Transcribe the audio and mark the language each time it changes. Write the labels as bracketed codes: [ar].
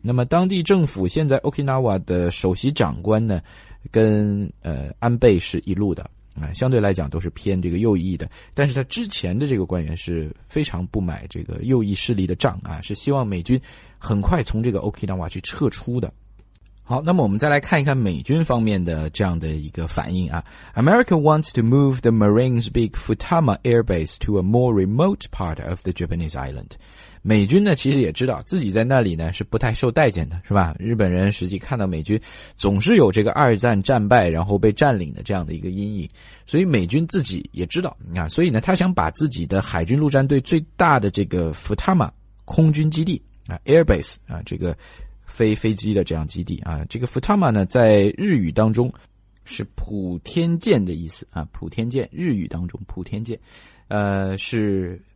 [zh] 那么当地政府现在 Okinawa 的首席长官呢跟安倍是一路的啊，相对来讲都是偏这个右翼的，但是他之前的这个官员是非常不买这个右翼势力的账啊，是希望美军很快从这个 Okinawa 去撤出的。好，那么我们再来看一看美军方面的这样的一个反应啊。 [en] America wants to move the Marines' big Futama Air Base to a more remote part of the Japanese island. [zh] 美军呢其实也知道自己在那里呢是不太受待见的，是吧？日本人实际看到美军总是有这个二战战败然后被占领的这样的一个阴影，所以美军自己也知道啊，所以呢他想把自己的海军陆战队最大的这个 Futama 空军基地啊 Air Base 啊这个飞机的这样基地啊，这个 Futama 呢在日语当中是普天舰的意思啊，普天舰日语当中普天舰是